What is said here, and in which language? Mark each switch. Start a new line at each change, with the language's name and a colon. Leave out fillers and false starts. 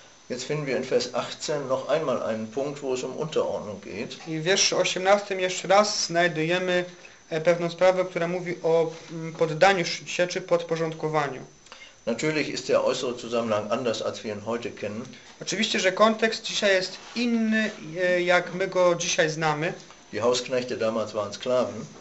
German: Jetzt finden wir in Vers 18 noch einmal einen Punkt, wo es um Unterordnung geht.
Polish: I w wierszu 18 jeszcze raz znajdujemy pewną sprawę, która mówi o poddaniu się czy podporządkowaniu.
German: Natürlich ist der äußere Zusammenhang anders, als wir ihn heute kennen.
Polish: Oczywiście, że kontekst dzisiaj jest inny, jak my go dzisiaj znamy.
German: Die Hausknechte damals waren Sklaven.